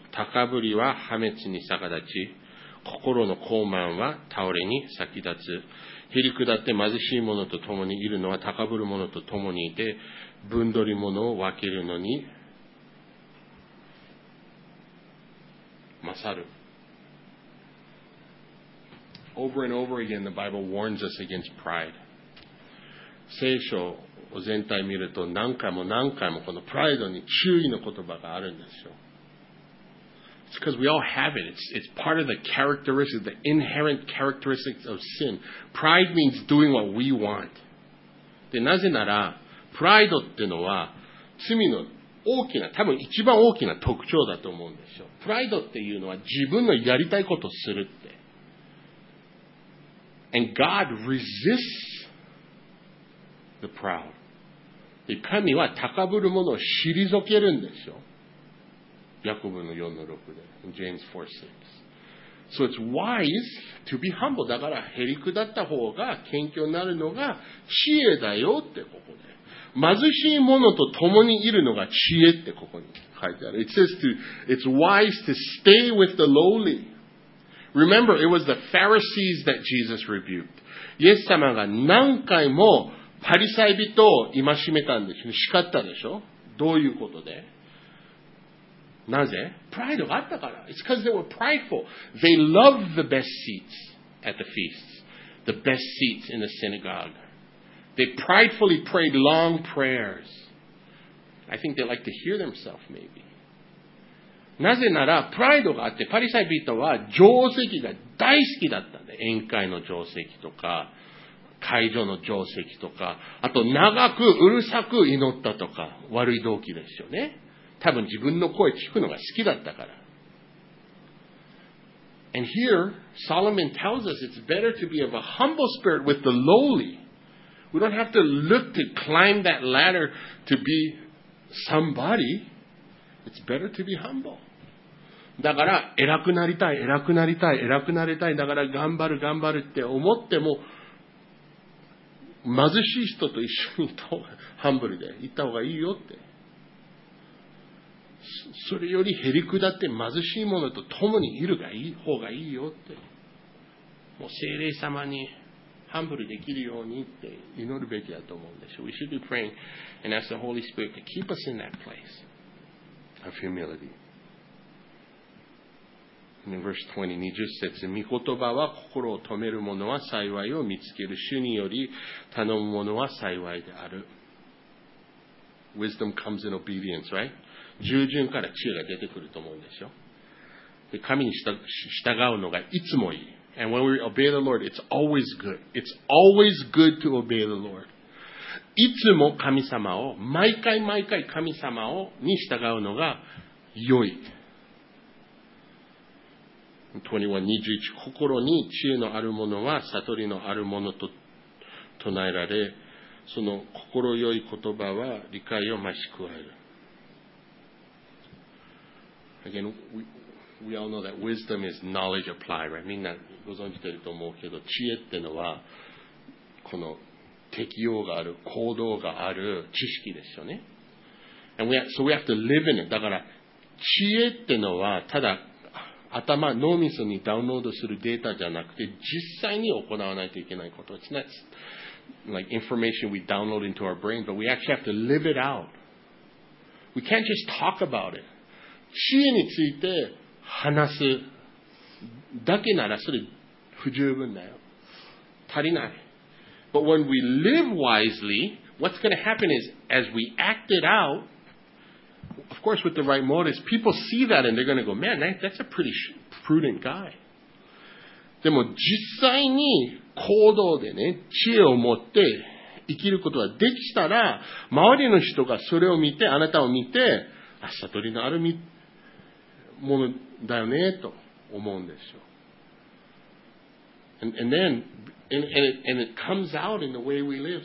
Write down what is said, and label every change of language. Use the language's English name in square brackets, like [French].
[Japanese] 高ぶりは破滅に逆立ち、心の高慢は倒れに先立つ。へりくだって貧しい者と共にいるのは高ぶる者と共にいて、分取り者を分けるのに勝る。 [English] Over and over again, the Bible warns us against pride. [Japanese] 聖書を全体見ると何回も何回もこのプライドに注意の言葉があるんですよ。 [English] It's because we all have it. It's part of the characteristics, the inherent characteristics of sin. Pride means doing what we want. [Japanese] で、なぜなら、プライドっていうのは罪の大きな、多分一番大きな特徴だと思うんですよ。プライドっていうのは自分のやりたいことをするって。 [English] And God resists the proud. [Japanese] 神は高ぶるものを退けるんですよ。ヤコブの4の6で。 [English] James 4:6. So it's wise to be humble. [Japanese] だから、へりくだった方が謙虚になるのが知恵だよってここで。貧しい者と共にいるのが知恵ってここに書いてある。 [English] It says to, it's wise to stay with the lowly. Remember, it was the Pharisees that Jesus rebuked. [Japanese] イエス様が何回もパリサイ人を戒めたんでしょ、叱ったでしょ。どういうことで？なぜ？プライドがあったから。 [English] It's because they were prideful. They loved the best seats at the feasts, the best seats in the synagogue. They pridefully prayed long prayers. I think they like to hear themselves maybe. [Japanese] なぜならプライドがあってパリサイ人は定席が大好きだったんで、宴会の定席とか。会場の定席とか、あと長くうるさく祈ったとか、悪い動機ですよね。多分自分の声聞くのが好きだったから。 [English] And here, Solomon tells us it's better to be of a humble spirit with the lowly. We don't have to look to climb that ladder to be somebody. It's better to be humble. [Japanese] だから偉くなりたい、偉くなりたい、偉くなりたい、だから頑張る、頑張るって思っても、貧しい人と一緒にハンブルで行った方がいいよって。それよりへりくだって貧しい者と共にいるがいい方がいいよって。もう聖霊様にハンブルできるようにって祈るべきだと思うんでしょう。 [English] We should be praying and ask the Holy Spirit to keep us in that place of humility. In verse 20, [Japanese] 20節、御言葉は心を止める者は幸いを見つける。主により頼む者は幸いである。 [English] Wisdom comes in obedience, right? [Japanese] 従順から知恵が出てくると思うんでしょ。で、神に従うのがいつもいい。 [English] And when we obey the Lord, it's always good. It's always good to obey the Lord. [Japanese] いつも神様を、毎回毎回神様をに従うのが良い。 21、21、心に知恵のあるものは悟りのあるものと唱えられ、その心よい言葉は理解を増し加える。 [English] Again, we all know that wisdom is knowledge applied, right? [Japanese] みんなご存じてると思うけど、知恵ってのは、この適用がある、行動がある知識ですよね。 [English] And we have to live in it. [Japanese] だから、知恵ってのはただ、頭、脳みそにダウンロードするデータじゃなくて、実際に行わないといけないこと。 [English] It's not like information we download into our brain, but we actually have to live it out. We can't just talk about it. [Japanese] 知恵について話すだけならそれ不十分だよ。足りない。 [English] But when we live wisely, what's going to happen is, as we act it out,Of course, with the right motives, people see that and they're going to go, man, that's a pretty prudent guy. [Japanese] でも実際に行動でね、知恵を持って生きることができたら、周りの人がそれを見て、あなたを見て、悟りのあるものだよねと思うんですよ。 [English] And it comes out in the way we live.